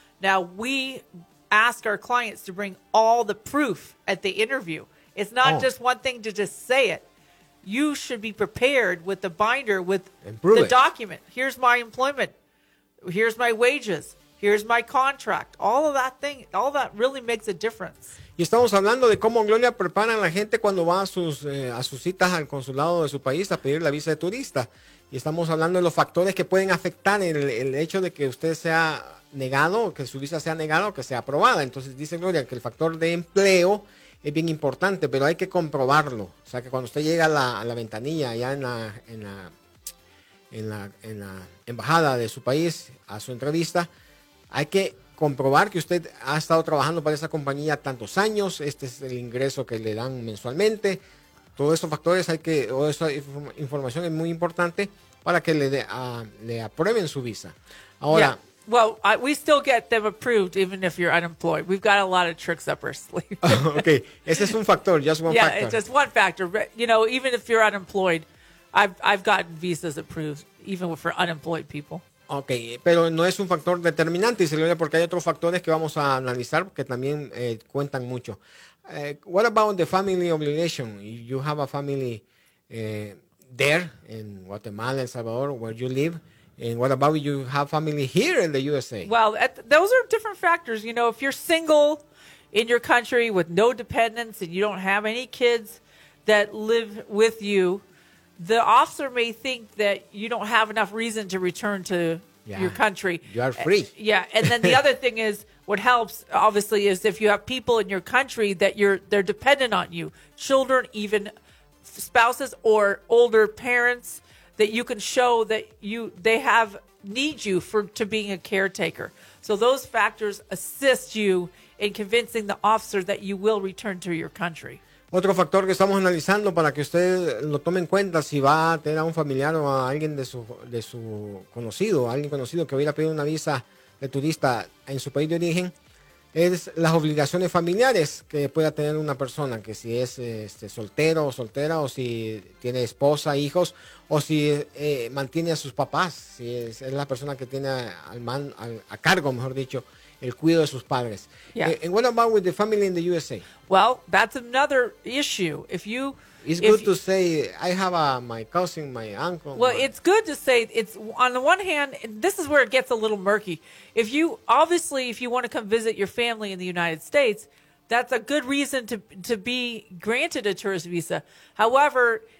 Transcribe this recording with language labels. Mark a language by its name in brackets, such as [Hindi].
[English] Now, we ask our clients to bring all the proof at the interview. It's not just one thing to just say it. You should be prepared with the binder, with the document. Here's my employment. Here's my wages. Here's my contract. All of that thing, all that really makes a difference. [Spanish] Y estamos hablando de cómo Gloria prepara a la gente cuando va a sus citas al consulado de su país a pedir la visa de turista. Y estamos hablando de los factores que pueden afectar el hecho de que usted sea negado, que su visa sea negada o que sea aprobada. Entonces dice Gloria que el factor de empleo es bien importante, pero hay que comprobarlo. O sea, que cuando usted llega a la ventanilla allá en la embajada de su país a su entrevista, hay que comprobar que usted ha estado trabajando para esa compañía tantos años, este es el ingreso que le dan mensualmente. Todos esos factores esa información es muy importante para que le aprueben su visa. Ahora, [English] yeah. Well, we still get them approved even if you're unemployed. We've got a lot of tricks up our sleeve. [Spanish] Okay, ese es un factor, [English] just one factor. Yeah, it's just one factor. But, you know, even if you're unemployed, I've gotten visas approved even for unemployed people. [Spanish] Okay, pero no es un factor determinante, porque hay otros factores que vamos a analizar que también cuentan mucho. [English] What about the family obligation? You have a family there in Guatemala, El Salvador, where you live. And what about you have family here in the USA? Well, those are different factors. You know, if you're single in your country with no dependents and you don't have any kids that live with you, the officer may think that you don't have enough reason to return to your country. You are free. Yeah. And then the other thing is what helps, obviously, is if you have people in your country that they're dependent on you, children, even spouses or older parents, that you can show that they need you to being a caretaker. So those factors assist you in convincing the officer that you will return to your country. [Spanish] Otro factor que estamos analizando para que usted lo tome en cuenta si va a tener a un familiar o a alguien de su conocido, alguien conocido que va a ir a pedir una visa de turista en su país de origen, es las obligaciones familiares que pueda tener una persona, que si es soltero o soltera, o si tiene esposa, hijos, o si mantiene a sus papás, si es la persona que tiene a cargo, el cuidado de sus padres. [English] Yeah. And what about with the family in the USA? Well, that's another issue. I have my cousin, my uncle. Well, it's good to say, it's on the one hand, this is where it gets a little murky. If you, obviously, if you want to come visit your family in the United States, that's a good reason to be granted a tourist visa. However,